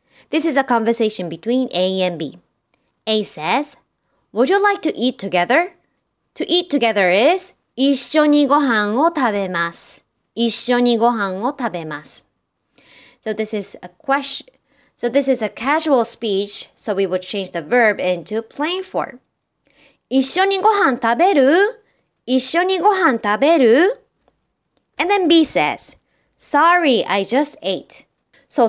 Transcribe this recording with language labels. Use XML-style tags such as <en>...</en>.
<en>This is a conversation between A and B. A says, Would you like to eat together? To eat together is</en> <ja>一緒にご飯を食べます。一緒にご飯を食べます。</ja> <en>So this is a question. So this is a casual speech, so we would change the verb into plain form.</en> <ja>一緒にご飯食べる?一緒にご飯食べる?</ja> <en>And then B says, Sorry, I just ate. So,</en>